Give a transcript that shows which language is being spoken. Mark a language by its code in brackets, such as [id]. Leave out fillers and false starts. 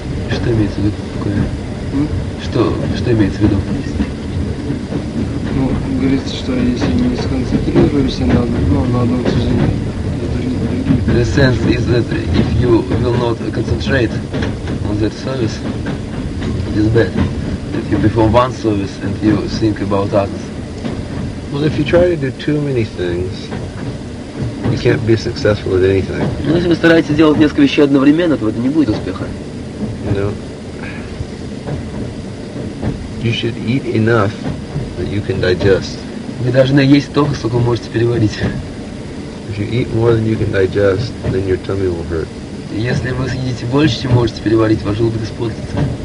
[ru] Что имеется в виду такое? Что имеется в виду? Ну, говорится, что если не сконцентрируешься на одном служении, то другие. [en] The sense is that if you will not concentrate on that service, it is bad. If you perform one service and you think about others. Well, if you try to do too many things, you can't be successful at anything. [ru] Ну, если вы стараетесь делать несколько вещей одновременно, то это не будет успеха. [en] No. You should eat enough that you can digest. [ru] Вы должны есть столько, сколько можете переварить. [en] If you eat more than you can digest, then your tummy will hurt. [ru] Если вы съедите больше, чем можете переварить, ваш желудок испортится.